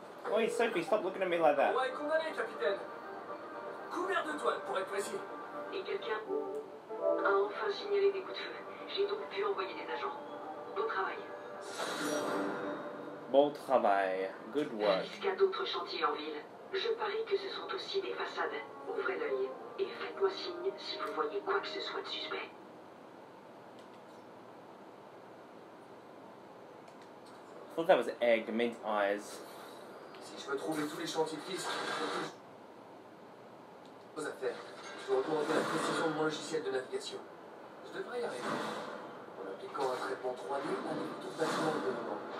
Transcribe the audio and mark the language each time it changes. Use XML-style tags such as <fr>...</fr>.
<en>Oi, Sophie, stop looking at me like that.</en> <fr>Couvert de toile, pour être précis. Et quelqu'un a enfin signalé des coups de feu. J'ai donc pu envoyer des agents. Beau travail. Bon travail.</fr> <en>Good work.</en> <fr>Jusqu'à d'autres chantiers en ville. Je parie que ce sont aussi des façades. Ouvrez l'œil et faites-moi signe si vous voyez quoi que ce soit de suspect.</fr> <en>I thought that was egg, it means eyes.</en> <fr>Si je veux trouver tous les chantiers qui sont aux affaires, je dois retrouver la précision de mon logiciel de navigation. Je devrais y arriver. En appliquant un traitement 3D, on a tout le bâtiment de devant.</fr>